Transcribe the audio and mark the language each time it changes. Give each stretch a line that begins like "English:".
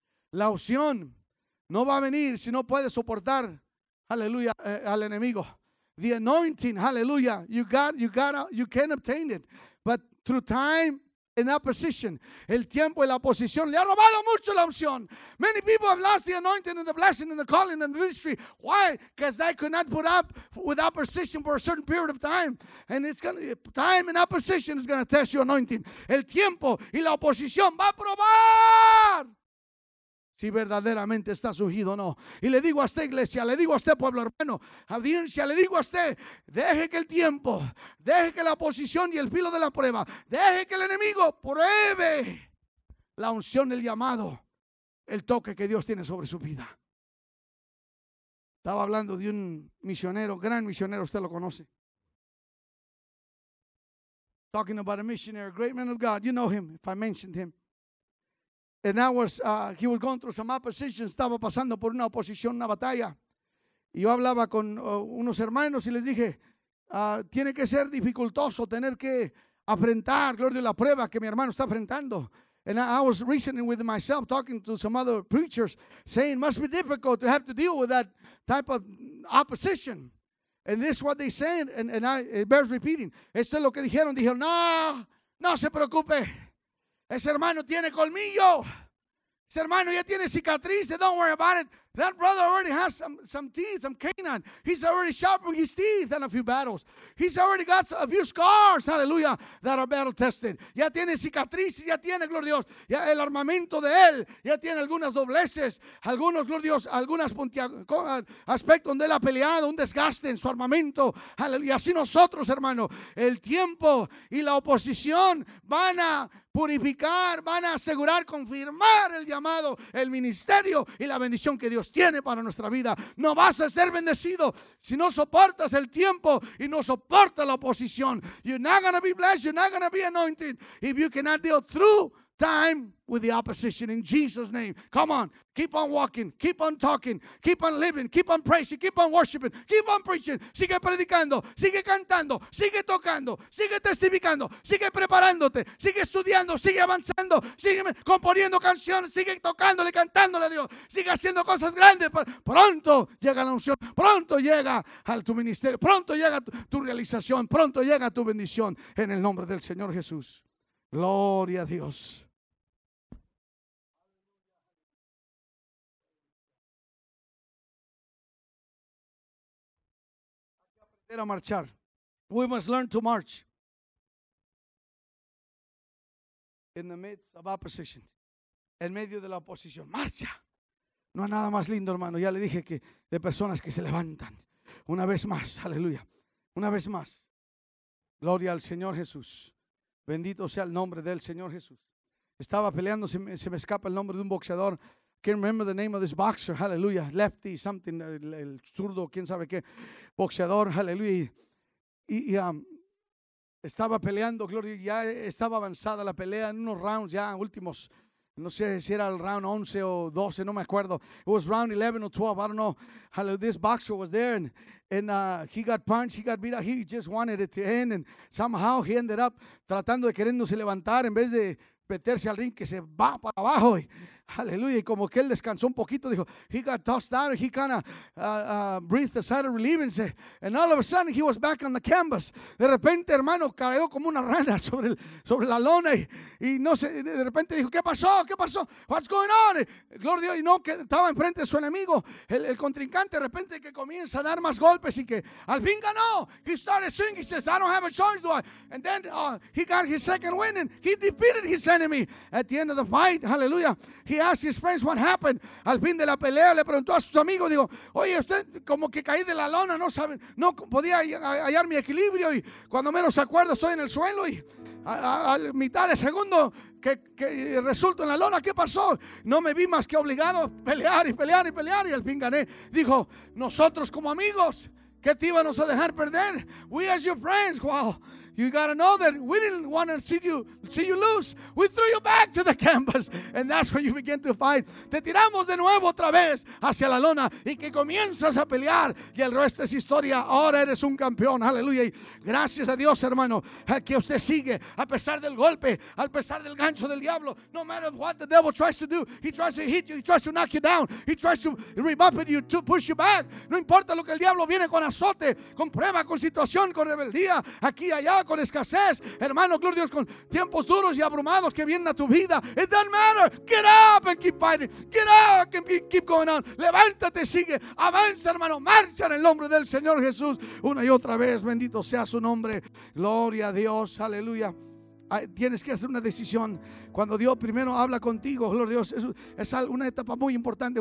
Spanish: La opción no va a venir si no puedes soportar, aleluya, al enemigo.
English: The anointing, aleluya, you can obtain it, but through time and opposition,
Spanish: el tiempo y la oposición le ha robado mucho la unción.
English: Many people have lost the anointing and the blessing and the calling and the ministry. Why? Because they could not put up with opposition for a certain period of time. And it's going to, time and opposition is going to test your anointing.
Spanish: El tiempo y la oposición va a probar si verdaderamente está ungido o no. Y le digo a esta iglesia, le digo a este pueblo hermano, audiencia, le digo a usted, deje que el tiempo, deje que la oposición y el filo de la prueba, deje que el enemigo pruebe la unción, el llamado, el toque que Dios tiene sobre su vida. Estaba hablando de un misionero, gran misionero, usted lo conoce.
English: Talking about a missionary, great man of God, you know him, if I mentioned him. And I was, he was going through some opposition.
Spanish: Estaba pasando por una oposición, una batalla. Y yo hablaba con unos hermanos y les dije, tiene que ser dificultoso tener que afrontar, gloria a la prueba que mi hermano está enfrentando.
English: And I was reasoning with myself, talking to some other preachers, saying, must be difficult to have to deal with that type of opposition. And this is what they said, it bears repeating.
Spanish: Esto es lo que dijeron. Dijeron, no se preocupe. Ese hermano tiene colmillo. Ese hermano ya tiene cicatrices.
English: Don't worry about it. That brother already has some teeth, some canine. He's already sharpened his teeth in a few battles. He's already got a few scars, hallelujah, that are battle tested.
Spanish: Ya tiene cicatrices, ya tiene, gloria a Dios, ya el armamento de él, ya tiene algunas dobleces, algunos, gloria a Dios, algunas aspectos donde él ha peleado, un desgaste en su armamento, hallelujah. Así nosotros, hermano, el tiempo y la oposición van a purificar, van a asegurar, confirmar el llamado, el ministerio y la bendición que Dios tiene para nuestra vida. No vas a ser bendecido si no soportas el tiempo y no soportas la oposición.
English: You're not going to be blessed, you're not going to be anointed if you cannot deal through time with the opposition. In Jesus' name, come on, keep on walking, keep on talking, keep on living, keep on praising, keep on worshiping, keep on preaching.
Spanish: Sigue predicando, sigue cantando, sigue tocando, sigue testificando, sigue preparándote, sigue estudiando, sigue avanzando, sigue componiendo canciones, sigue tocándole, cantándole a Dios, sigue haciendo cosas grandes. Pronto llega la unción, pronto llega a tu ministerio, pronto llega tu realización, pronto llega tu bendición en el nombre del Señor Jesús. Gloria a Dios. A marchar.
English: We must learn to march in the midst of opposition.
Spanish: En medio de la oposición, marcha. No hay nada más lindo, hermano. Ya le dije que de personas que se levantan una vez más, aleluya. Una vez más, gloria al Señor Jesús. Bendito sea el nombre del Señor Jesús. Estaba peleando, se me escapa el nombre de un boxeador.
English: Can't remember the name of this boxer, hallelujah, lefty, something,
Spanish: el zurdo, quién sabe qué, boxeador,
English: hallelujah.
Spanish: Estaba peleando, Gloria, ya estaba avanzada la pelea en unos rounds ya últimos. No sé si era el round 11 o 12, no me acuerdo.
English: It was round 11 or 12, I don't know. This boxer was there and he got punched, he got beat up. He just wanted it to end and somehow he ended up
Spanish: tratando de queriéndose levantar en vez de meterse al ring que se va para abajo. Aleluya. Y como que él descansó un poquito, dijo,
English: he got tossed out, he kind of breathed a sigh of relief and said, and all of a sudden he was back on the canvas.
Spanish: De repente, hermano, cayó como una rana sobre la lona y no sé, de repente dijo, ¿qué pasó?
English: What's going on?
Spanish: Gloria a Dios. Y no, que estaba enfrente de su enemigo, el contrincante, de repente que comienza a dar más golpes y que al fin ganó.
English: He started swinging, he says, I don't have a choice, do I? And then he got his second win and he defeated his enemy at the end of the fight. Aleluya. He asked his friends what happened.
Spanish: Al fin de la pelea le preguntó a sus amigos, digo, oye, usted como que caí de la lona, no saben, no podía hallar mi equilibrio y cuando menos acuerdo estoy en el suelo y a mitad de segundo que resulto en la lona, ¿qué pasó? No me vi más que obligado a pelear y pelear y pelear y al fin gané. Dijo, nosotros como amigos, ¿qué te íbamos a dejar perder?
English: We as your friends, wow. You gotta know that we didn't want to see you lose. We threw you back to the canvas, and that's when you begin to fight.
Spanish: Te tiramos de nuevo otra vez hacia la lona y que comienzas a pelear. Y el resto es historia. Ahora eres un campeón. Aleluya. Gracias a Dios, hermano, que usted sigue a pesar del golpe, a pesar del gancho del diablo.
English: No matter what the devil tries to do, he tries to hit you, he tries to knock you down, he tries to rebuff you, to push you back.
Spanish: No importa lo que el diablo viene con azote, con prueba, con situación, con rebeldía, aquí y allá, con escasez, hermano, gloria a Dios, con tiempos duros y abrumados que vienen a tu vida.
English: It doesn't matter, get up and keep fighting, get up and keep going on.
Spanish: Levántate, sigue, avanza, hermano, marcha en el nombre del Señor Jesús una y otra vez. Bendito sea su nombre, gloria a Dios, aleluya. Tienes que hacer una decisión cuando Dios primero habla contigo, gloria a Dios. Es una etapa muy importante.